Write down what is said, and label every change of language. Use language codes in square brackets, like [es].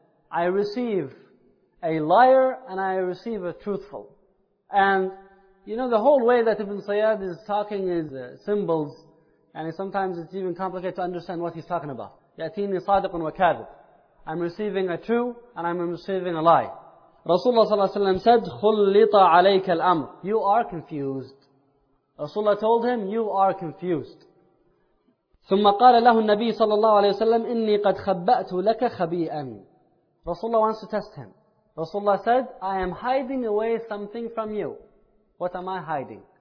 [en] I receive a liar and I receive a truthful. And you know, the whole way that Ibn Sayyad is talking is symbols, and sometimes it's even complicated to understand what he's talking about. [ar] يَأْتِينِي صَادِقٌ وَكَاذِبٌ. [en] I'm receiving a true and I'm receiving a lie. [ar] Rasulullah صلى الله عليه وسلم said, خُلِّطَ عَلَيْكَ الْأَمْرِ. [en] You are confused. Rasulullah told him, you are confused. [ar] ثُمَّ قَالَ لَهُ النَّبِيُّ صلى الله عليه وسلم, إِنِّي قَدْ خَبَّأْتُ لَكَ خَبِيئًا. [en] Rasulullah wants to test him. Rasulullah said, I am hiding away something from you. What am I hiding?